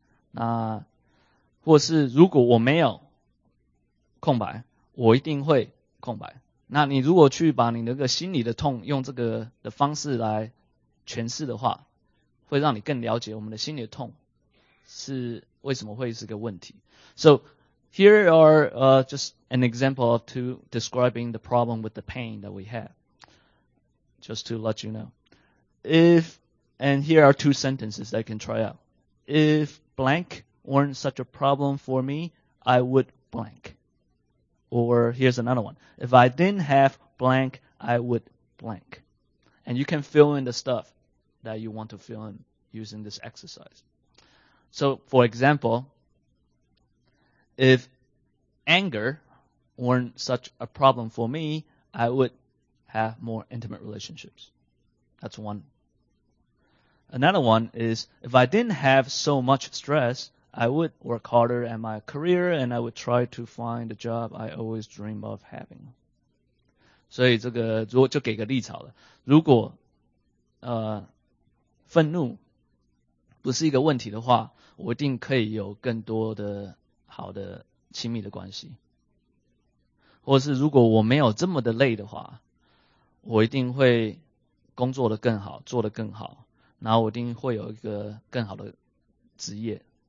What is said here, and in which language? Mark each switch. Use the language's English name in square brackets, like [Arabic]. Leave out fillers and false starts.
[Chinese] 那或是如果我没有空白，我一定会空白。那你如果去把你那个心理的痛用这个的方式来诠释的话，会让你更了解我们的心理的痛是为什么会是个问题。 [English] So here are just an example of to describing the problem with the pain that we have. Just to let you know. If, and here are two sentences that I can try out. If blank weren't such a problem for me, I would blank. Or here's another one. If I didn't have blank, I would blank. And you can fill in the stuff that you want to fill in using this exercise. So, for example, if anger weren't such a problem for me, I would have more intimate relationships. That's one. Another one is, if I didn't have so much stress, I would work harder at my career and I would try to find the job I always dream of having. [Chinese] 所以这个如果就给个例子好了，如果愤怒不是一个问题的话，我一定可以有更多的好的亲密的关系。或是如果我没有这么的累的话，我一定会工作的更好，做的更好，然后我一定会有一个更好的职业。